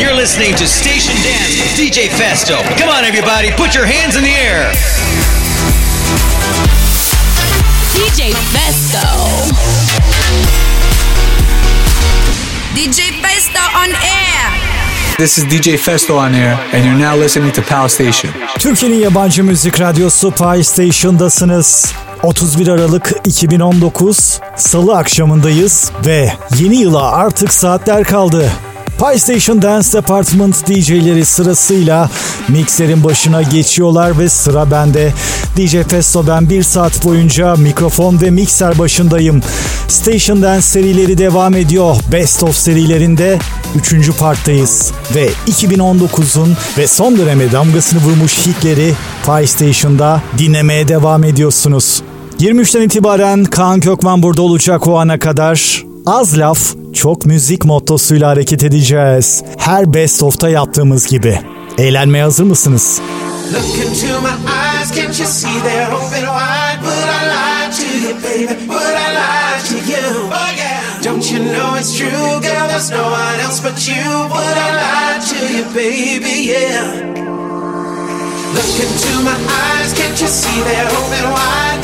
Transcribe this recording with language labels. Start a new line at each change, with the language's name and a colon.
English: You're listening to Station Dance with DJ Festo. Come on, everybody, put your hands in the air. DJ Festo. DJ Festo on air. This is DJ Festo on air and you're now listening to Pal Station.
Turkish: Türkiye'nin yabancı müzik radyosu Pal Station'dasınız. 31 Aralık 2019 Salı akşamındayız ve yeni yıla artık saatler kaldı. Pal Station Dance Department DJ'leri sırasıyla mikserin başına geçiyorlar ve sıra bende. DJ Festo ben bir saat boyunca mikrofon ve mikser başındayım. Station Dance serileri devam ediyor. Best of serilerinde 3. parttayız. Ve 2019'un ve son döneme damgasını vurmuş hitleri Pal Station'da dinlemeye devam ediyorsunuz. 23'ten itibaren Kaan Kökmen burada olacak o ana kadar. Az laf, çok müzik mottosuyla hareket edeceğiz. Her Best Of'ta yaptığımız gibi. Eğlenmeye hazır mısınız?
English: Look into my eyes, can't you see they're open wide? Would I lie to you, baby? Would I lie to you? Oh yeah! Don't you know it's true, girl? There's no one else but you. Would I lie to you, baby? Yeah! Look into my eyes, can't you see they're open wide?